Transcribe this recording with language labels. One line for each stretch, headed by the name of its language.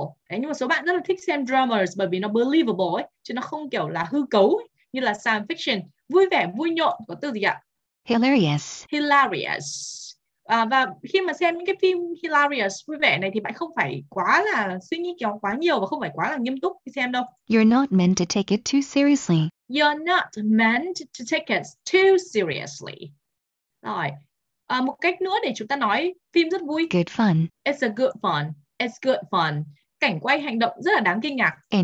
Vietnamese: Đấy, nhưng mà số bạn rất là thích xem dramas bởi vì nó believable ấy, chứ nó không kiểu là hư cấu ấy, như là science fiction. Vui vẻ, vui nhộn, có từ gì ạ?
English: Hilarious.
Vietnamese: Và khi mà xem những cái phim hilarious, vui vẻ này thì bạn không phải quá là suy nghĩ kiểu quá nhiều và không phải quá là nghiêm túc khi xem đâu.
English: You're not meant to take it too seriously.
Vietnamese: Rồi. Một cách nữa để chúng ta nói phim rất vui.
English: It's good fun.
Vietnamese: Cảnh quay hành động rất là đáng kinh ngạc.